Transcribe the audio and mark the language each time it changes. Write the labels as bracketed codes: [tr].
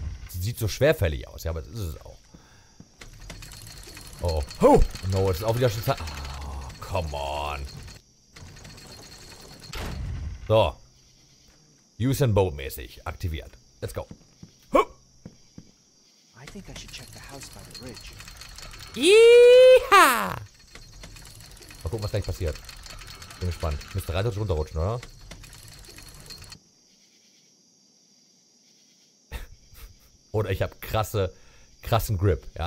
[de] Sieht so schwerfällig aus, ja, aber das ist es auch. Oh, oh, no, es ist auch wieder schon Zeit. [en] Oh, come on. [de] So. Use and Boat mäßig aktiviert. [en] Let's go. I think I should check the house by the bridge. Yeeha! [de] Mal gucken, was gleich passiert. Bin gespannt. Müsste rein runterrutschen, oder? Oder ich habe krassen Grip.